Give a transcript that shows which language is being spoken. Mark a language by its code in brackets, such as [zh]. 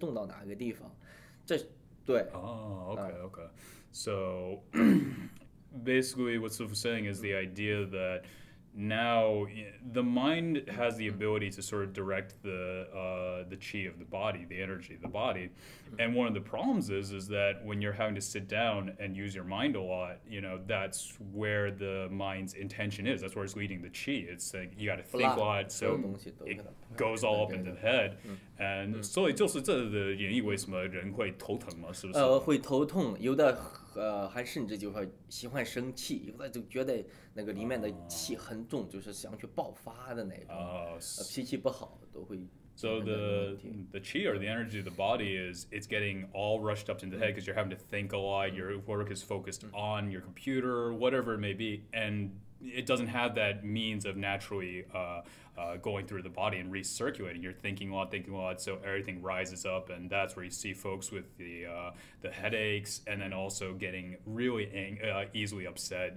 [zh] 这就是这个问题，就是我们经常你看一出门然后开车，然后到一个办公室，然后就去工作，然后就是说我们这个气和这个血都有这个压力，所以你想到哪个地方呢，然后那个压力都会移动到哪个地方，这对。 [en] Okay. So basically what Suf was saying is the idea that now, the mind has the ability to sort of direct the chi of the body, the energy of the body. And one of the problems is that when you're having to sit down and use your mind a lot, you know, that's where the mind's intention is. That's where it's leading the chi. It's like you got to think a lot, so it goes all up into the head. And so it's also the [zh] 人会头疼吗? 会头痛,有的 还甚至就会喜欢生气，有的就觉得那个里面的气很重， 就是想去爆发的那种， 脾气不好都会。 [en] So the chi or the energy of the body is it's getting all rushed up into the head because you're having to think a lot. Your work is focused on your computer, whatever it may be, and it doesn't have that means of naturally going through the body and recirculating. You're thinking a lot, so everything rises up, and that's where you see folks with the headaches, and then also getting really easily upset.